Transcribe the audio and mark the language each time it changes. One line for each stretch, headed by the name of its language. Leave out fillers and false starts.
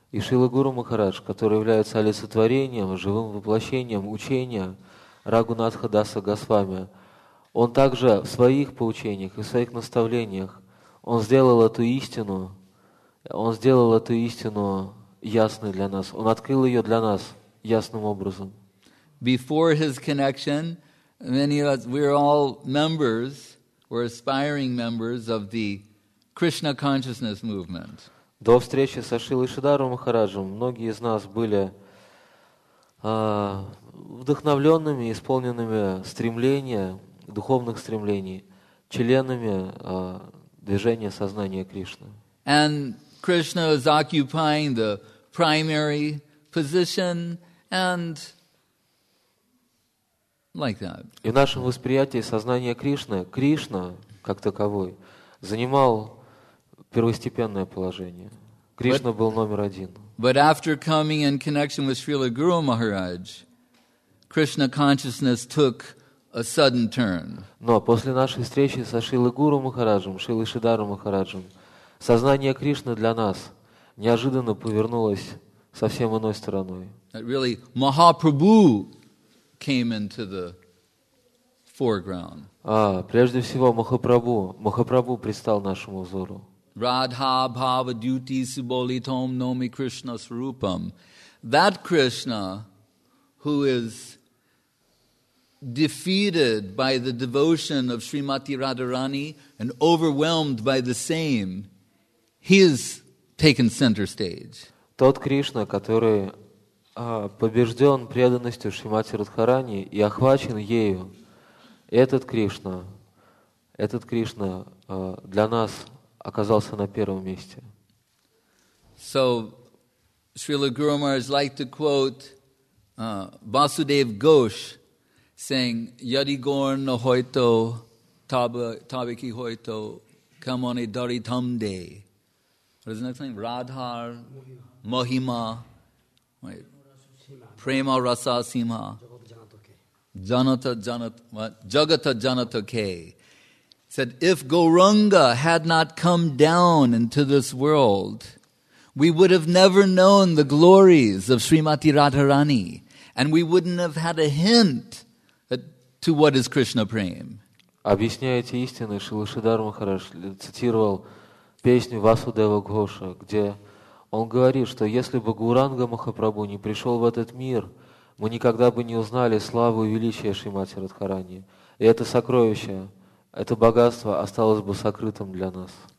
Russian: И Шрила Гуру Махарадж, который является олицетворением, живым воплощением учения Рагунатха Даса Госвами, он также в своих поучениях и в своих наставлениях он сделал эту истину ясной для нас. Он открыл ее для нас ясным образом.
English: Before his connection, many of us, we're all members, we're aspiring members of the Krishna consciousness movement.
Russian: До встречи со Шрилой Шридхаром Махараджем многие из нас были вдохновленными, исполненными стремления, духовных стремлений, членами движения сознания Кришны.
English: And Krishna is occupying the primary position and like that.
Russian: И в нашем восприятии сознания Кришны, Кришна, как таковой, занимал первостепенное положение. Кришна был номер один.
English: But after coming in connection with Srila Guru Maharaj, Krishna consciousness took a sudden turn.
Russian: Но после нашей встречи со Шрилой Гуру Махараджем, Шрилой Шридхаром Махараджем, сознание Кришны для нас неожиданно повернулось совсем иной стороной.
English: That really Mahaprabhu came into the foreground.
Russian: А, прежде всего, Махапрабху предстал нашему взору.
Sanskrit: Radha Bhava Duti Subolitom Nomi Krishna Srupam.
English: That Krishna who is defeated by the devotion of Srimati Radharani and overwhelmed by the same, he is taken center stage.
Russian: Тот Кришна, который побежден преданностью Шримати Радхарани и охвачен ею, этот Кришна для нас оказался на первом месте.
English: So, Srila Guru Maharaj liked to quote Vasudev Ghosh saying,
Bangla: Yadi gorna hoito tabaki hoito kamone dari tamde.
English: What is the next name?
Bangla: Radhar Mohima Prema Rasa Sima Janata Jagata Janata Ke.
English: Said, if Gauranga had not come down into this world, we would have never known the glories of Srimati Radharani, and we wouldn't have had a hint to what is Krishna Prem.
Russian: Объясняя эти истины, Шрила Шридхар Махарадж цитировал песню Васудева Гоша, где он говорит, что если бы Гауранга Махапрабху не пришел в этот мир, мы никогда бы не узнали славу и величие Шримати Радхарани. И это сокровище, это богатство осталось бы сокрытым для нас.